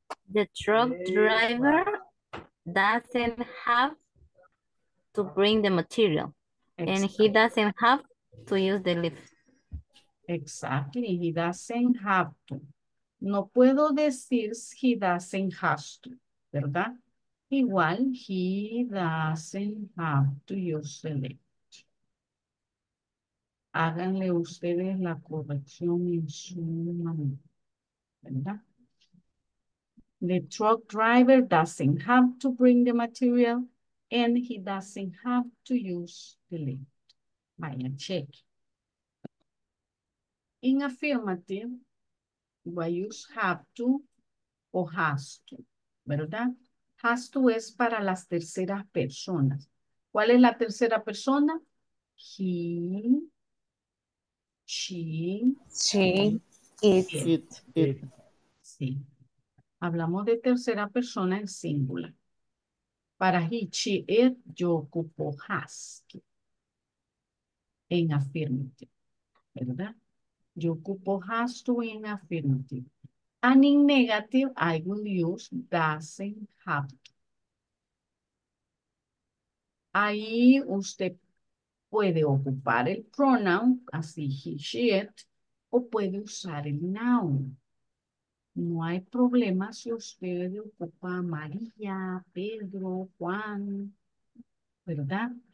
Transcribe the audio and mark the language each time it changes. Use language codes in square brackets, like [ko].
[en] The truck driver doesn't have to bring the material. Exactly. And he doesn't have to use the lift. Exactly, he doesn't have to. [es] No puedo decir [en] he doesn't have to, [es] ¿verdad? [en] Igual, he doesn't have to use the lift. [es] Háganle ustedes la corrección en su manual, ¿verdad? [en] The truck driver doesn't have to bring the material and he doesn't have to use the lift. [es] Vayan, check. [en] In affirmative, we use have to o has to, ¿verdad? [es] Has to es para las terceras personas. ¿Cuál es la tercera persona? [en] He, she, it. [es] Sí. Hablamos de tercera persona en singular. Para [en] he, she, it, [es] yo ocupo has. En affirmative, ¿verdad? Yo ocupo [en] has to in affirmative. And in negative, I will use doesn't have to. [es] Ahí usted puede ocupar el pronoun, así [en] he, she, it, [es] o puede usar el noun. No hay problema si usted ocupa María, Pedro, Juan, ¿verdad?